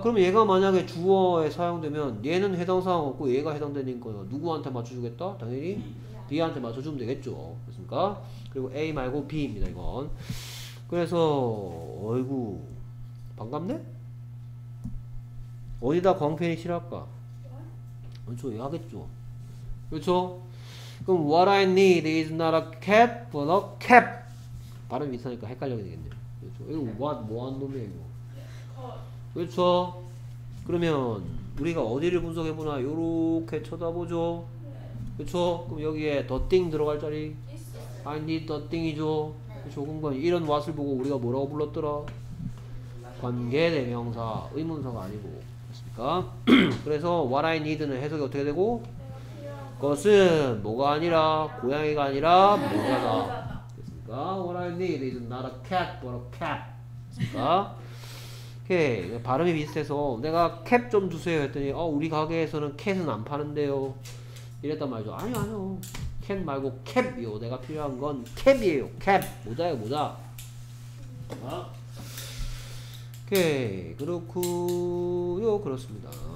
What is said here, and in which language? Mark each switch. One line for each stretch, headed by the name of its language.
Korean: 그럼 얘가 만약에 주어에 사용되면 얘는 해당 사항 없고 얘가 해당되는 거예요. 누구한테 맞춰주겠다? 당연히 B한테 맞춰주면 되겠죠. 됐습니까? 그리고 A 말고 B입니다, 이건. 그래서, 어이구, 반갑네? 어디다 광팬이 싫어할까? 그렇죠, 얘 하겠죠. 그렇죠? 그럼,
English: what I need is not a cap, but a cap.
Korean: 발음이 비슷하니까 헷갈려야 되겠네. 그렇죠. 이거 what, 뭐한 놈이에요, 이거. 그렇죠? 그러면, 우리가 어디를 분석해보나, 요렇게 쳐다보죠. 그쵸? 그럼 여기에 the thing 들어갈 자리?
English: I need the thing
Korean: 이죠? 좋은 건 이런 what을 보고 우리가 뭐라고 불렀더라? 관계 대명사, 의문사가 아니고. 됐습니까? 그래서 what I need는 해석이 어떻게 되고? 그것은 뭐가 아니라 고양이가 아니라 뭐가다. 됐습니까?
English: What I need is not a cat but a cap.
Korean: 됐습니까? 오케이. 발음이 비슷해서 내가 cap 좀 주세요 했더니 우리 가게에서는 cat은 안 파는데요 이랬단 말이죠. 아니요 아니요 캔 말고 캡이요. 내가 필요한 건 캡이에요. 캡 모자예요 모자. 오케이. 그렇구요. 그렇습니다.